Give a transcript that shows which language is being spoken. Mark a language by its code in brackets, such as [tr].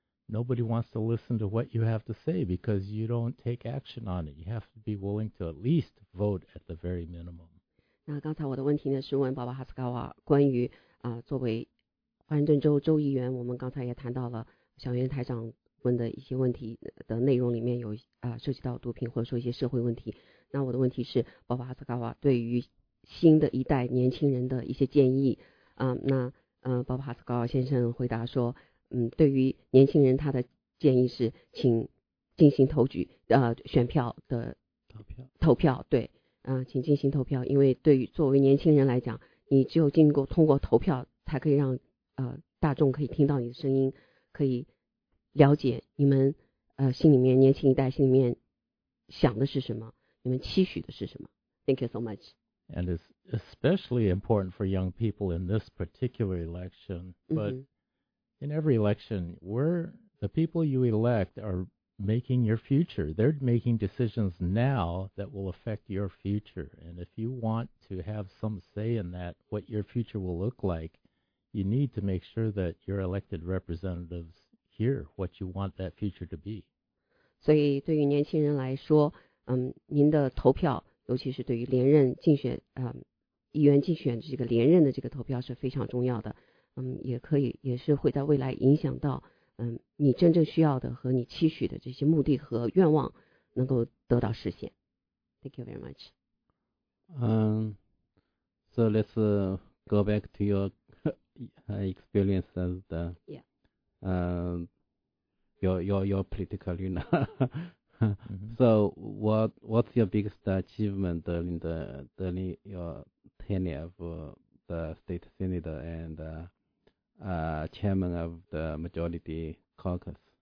[en] nobody wants to listen to what you have to say because you don't take action on it. You have to be willing to at least vote at the very minimum. [zh] 那刚才我的问题呢是问鲍勃哈斯高瓦关于作为华盛顿州州议员，我们刚才也谈到了小云台长问的一些问题的内容里面有涉及到毒品或者说一些社会问题。那我的问题是鲍勃哈斯高瓦对于新的一代年轻人的一些建议啊、那鲍勃哈斯高瓦先生回答说，对于年轻人他的建议是请进行投举选票的投票对。请进行投票，因为对于作为年轻人来讲，你只有经过通过投票才可以让大众可以听到你的声音，可以了解你们心里面年轻一代心里面想的是什么，你们期许的是什么。 [en] Thank you so much. And it's especially important for young people in this particular election, but、mm-hmm. in every election, we're the people you elect are making your future. They're making decisions now that will affect your future. And if you want to have some say in that, what your future will look like, you need to make sure that your elected representatives hear what you want that future to be. [zh] 所以对于年轻人来说，您的投票，尤其是对于连任竞选，议员竞选这个连任的这个投票是非常重要的。也可以，也是会在未来影响到你真正需要的和你期许的这些目的和愿望能够得到实现。 [en] Thank you very much. So let's go back to your experience as the your political arena. So what's your biggest achievement during your tenure of the state senator andChairman of the Majority Caucus?